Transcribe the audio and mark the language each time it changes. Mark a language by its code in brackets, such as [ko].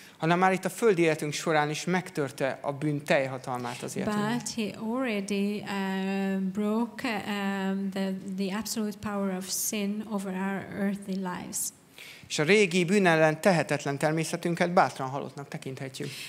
[hu] Hanem már itt a földi életünk során is megtörte a bűn teljhatalmát az életünkben. [en] But he already broke the absolute power of sin over our earthly lives. [hu] És a régi bűn ellen tehetetlen természetünket bátran halottnak tekinthetjük.